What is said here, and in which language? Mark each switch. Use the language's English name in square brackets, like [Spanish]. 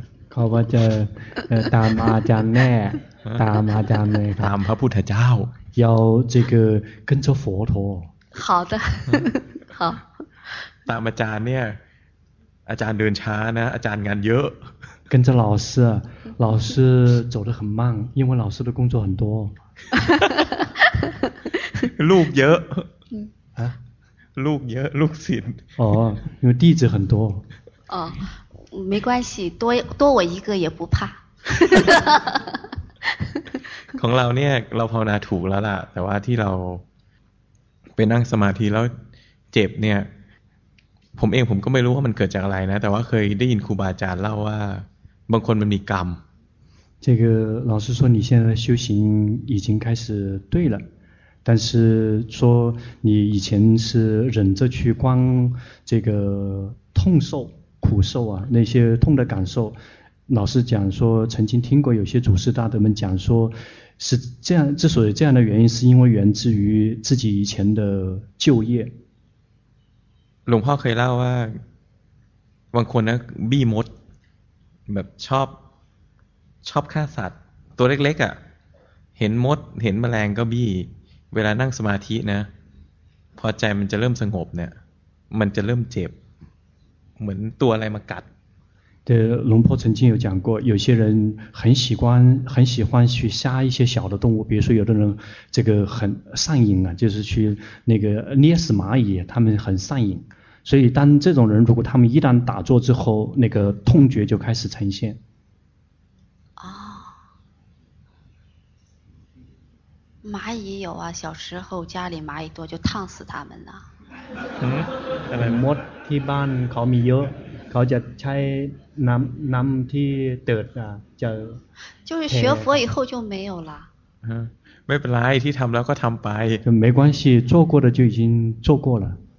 [Thai] เขาว่าจะตามอาจารย์แน่ตามอาจารย์เลย ตามพระพุทธเจ้า [Chinese] 要这个跟着佛陀好的好 [Thai] ตามอาจารย์เนี่ยอาจารย์เดินช้านะอาจารย์งานเยอะ [Chinese] 跟着老师老师走得很慢因为老师的工作很多 [Thai] ลูกเยอะลูกเยอะลูกศิษย์ [Chinese] อ๋อ有弟子很多哦没关系多多我一个也不怕 [Thai] ของเราเนี่ยเราภาวนาถูกแล้วล่ะแต่ว่าที่เราไปนั่งสมาธิแล้วเจ็บเนี่ยผมเองผมก็ไม่รู้ว่ามันเกิดจากอะไรนะแต่ว่าเคยได้ยินครูบาอาจารย์เล่าว่าบางคนมันมีกรรม [Chinese] 这个老师说你现在修行已经开始对了但是说你以前是忍着去观这个痛受苦受啊那些痛的感受老师讲说曾经听过有些祖师大德们讲说是这样之所以这样的原因是因为源自于自己以前的旧业 [Thai] หลวงพ่อเคยเล่าว่าบางคนนะบี้มดแบบชอบฆ่าสัตว์ตัวเล็กๆอ่ะเห็นมดเห็นแมลงก็บี้เวลานั่งสมาธินะพอใจมันจะเริ่มสงบเนี่ยมันจะเริ่มเจ็บเหมือนตัวอะไรมากัด [Chinese] 对หลวงพ่อ曾经有讲过有些人很喜欢去杀一些小的动物比如说有的人这个很上瘾啊就是去那个捏死蚂蚁他们很上瘾所以当这种人如果他们一旦打坐之后那个痛觉就开始呈现哦蚂蚁有啊小时候家里蚂蚁多就烫死他们了 [Thai] 嗯มดที่บ้านเขามีเยอะเขาจะใช้น้ำที่เติดอ่ะจะ [Chinese] 就是学佛以后就没有了 [Thai] 嗯ไม่เป็นไรที่ทำแล้วก็ทำไป [Chinese] 没关系做过的就已经做过了